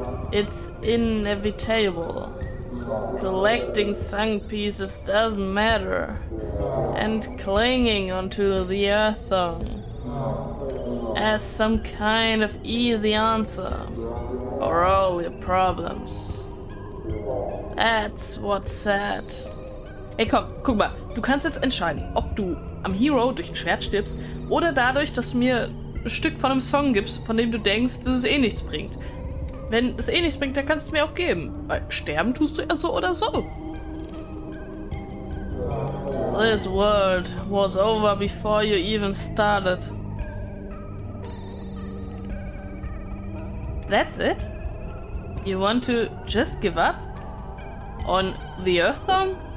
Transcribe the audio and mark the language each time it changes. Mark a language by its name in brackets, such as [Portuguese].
[English] It's inevitable. Collecting sung pieces doesn't matter. And clinging onto the Earthong as some kind of easy answer for all your problems. That's what's sad. [German] Ey, komm, guck mal. Du kannst jetzt entscheiden, ob du am Hero durch ein Schwert stirbst oder dadurch, dass du mir ein Stück von einem Song gibst, von dem du denkst, dass es eh nichts bringt. Wenn es eh nichts bringt, dann kannst du mir auch geben. Weil sterben tust du ja so oder so. [English] This world was over before you even started. That's it? You want to just give up? On the Earthong?